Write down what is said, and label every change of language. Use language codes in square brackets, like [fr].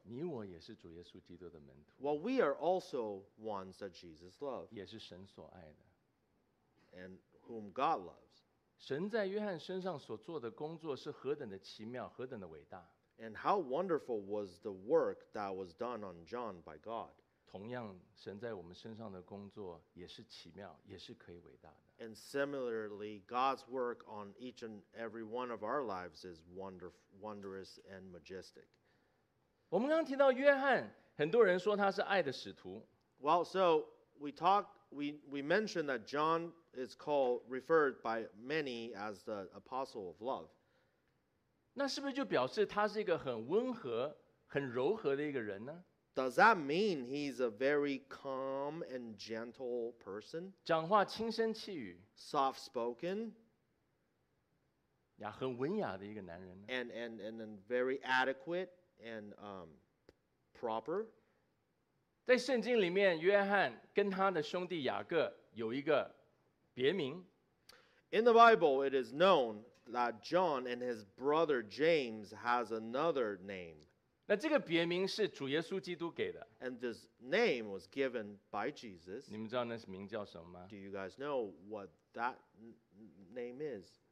[zh] 你我也是主耶稣基督的门徒。 [en] Well, we are also ones that Jesus loved. [zh] 也是神所爱的。 [en] And whom God loves. [zh] 神在约翰身上所做的工作是何等的奇妙，何等的伟大。 [en] And how wonderful was the work that was done on John by God. [zh] 同样，神在我们身上的工作也是奇妙，也是可以伟大的。 [en] And similarly, God's work on each and every one of our lives is wondrous and majestic. [zh] 我们刚提到约翰，很多人说他是爱的使徒。 [en] Well, so we mentioned that John is referred by many as the apostle of love. [zh] 那是不是就表示他是一个很温和、很柔和的一个人呢？ [en] Does that mean he's a very calm and gentle person? [zh] 讲话轻声细语 [en] Soft spoken. [zh] 呀，很文雅的一个男人。 [en] And very adequate and proper. [zh] 在圣经里面，约翰跟他的兄弟雅各有一个别名。 [en] In the Bible, it is known that John and his brother James has another name. [zh] 那这个别名是主耶稣基督给的。 [en] And this name was given by Jesus. [zh] 你们知道那名叫什么吗 [en] ？Do you guys know what that name is?